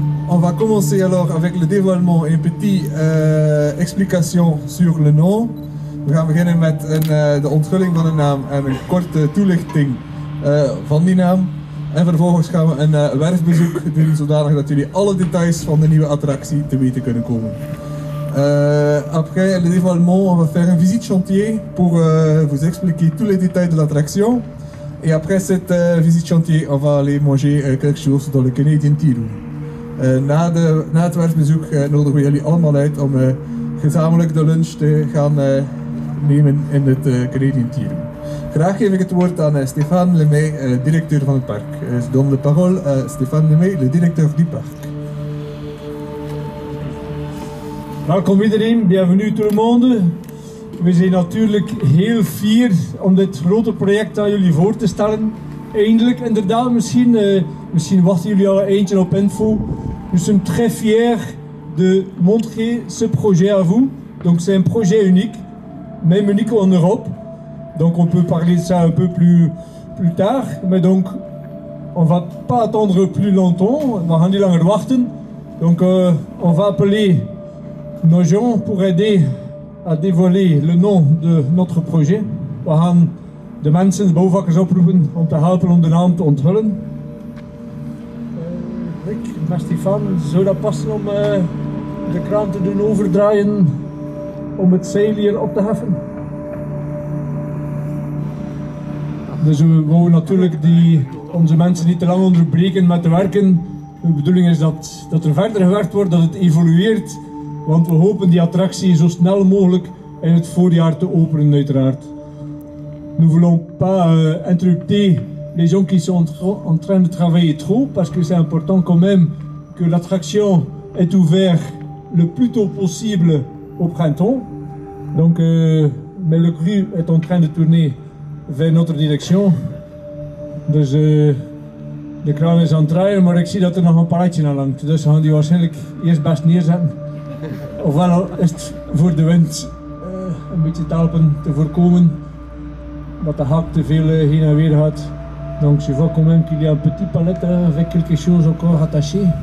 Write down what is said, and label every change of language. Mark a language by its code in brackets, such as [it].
[fr] On va commencer alors avec le dévoilement, une petite explication sur le nom. [nl] We gaan beginnen met de onthulling van de naam en een korte toelichting van die naam. En vervolgens gaan we een werfbezoek doen, zodanig dat jullie alle details van de nieuwe attractie te weten kunnen komen. [fr] Après le dévoilement, on va faire une visite chantier pour vous expliquer tous les détails de l'attraction. Et après cette visite chantier, on va aller manger quelque chose dans le Canadian Tea Room. [nl] Na het werfbezoek nodigen we jullie allemaal uit om gezamenlijk de lunch te gaan nemen in het Canadian Tea Room. Graag geef ik het woord aan Stéphane Lemay, directeur van het park. [fr] Je donne la parole à Stéphane Lemay, le directeur du parc. [nl] Welkom iedereen, [fr] bienvenue tout le monde. [nl] We zijn natuurlijk heel fier om dit grote project aan jullie voor te stellen. Eindelijk, inderdaad, misschien wachten jullie al eentje op info. We zijn [fr] très fier de montrer ce projet à vous. Donc c'est un projet unique, même unique en Europe. Donc on peut parler de ça un peu plus tard, mais donc on va pas attendre plus longtemps, on va [nl] niet langer wachten. [fr] Donc on va appeler nos gens pour aider à dévoiler le nom de notre projet. [nl] We gaan de mensen, de bouwvakkers oproepen om te helpen om de naam te onthullen. Rick, met Stéphane, zou dat passen om de kraan te doen overdraaien om het zeil hier op te heffen? Dus we wouden natuurlijk onze mensen niet te lang onderbreken met te werken. De bedoeling is dat er verder gewerkt wordt, dat het evolueert. Want we hopen die attractie zo snel mogelijk in het voorjaar te openen, uiteraard. [fr] Nous ne voulons pas interrompre les gens qui sont en train de travailler trop, parce que c'est important quand même que l'attraction est ouverte le plus tôt possible au printemps. Donc, mais le cru est en train de tourner vers notre direction. [nl] Dus de kraan is aan het draaien, maar ik zie dat er nog een palletje aan hangt. Dus we gaan die waarschijnlijk eerst best neerzetten. Ofwel is het voor de wind een beetje te helpen te voorkomen dat de hak te veel heen en weer gaat. [fr] Donc je vois quand même qu'il y a un petit palette avec quelque chose encore attaché.